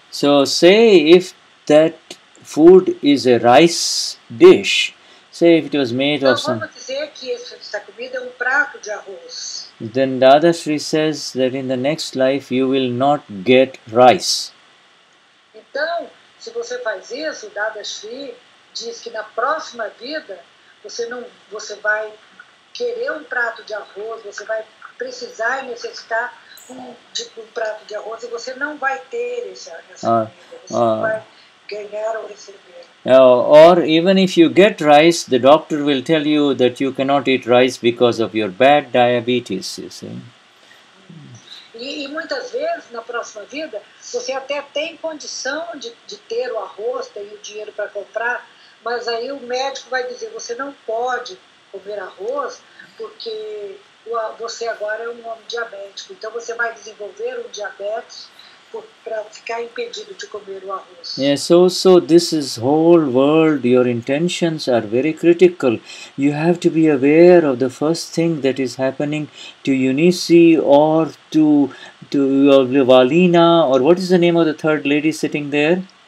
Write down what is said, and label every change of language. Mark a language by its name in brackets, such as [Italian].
[English] So, say if that food is a rice dish. Say if it was made of some... [Portuguese] Vamos dizer que essa comida é um prato de arroz. [English] Then Dada Sri says that in the next life you will not get rice. [Portuguese] Então, se você faz isso, Dada Sri diz que na próxima vida você vai querer um prato de arroz, você vai precisar e necessitar um prato de arroz e você não vai ter essa comida. [English] Or even if you get rice, the doctor will tell you that you cannot eat rice because of your bad diabetes, you see. [Portuguese] E muitas vezes, na próxima vida, você até tem condição de ter o arroz, ter o dinheiro para comprar, mas aí o médico vai dizer, você não pode comer arroz porque você agora é um homem diabético. Então, você vai desenvolver um diabetes para ficar impedido de comer o arroz. [English] Yeah, so this is whole world, your intentions are very critical. You have to be aware of the first thing that is happening to Eunice or to Valina, or what is the name of the third lady sitting there?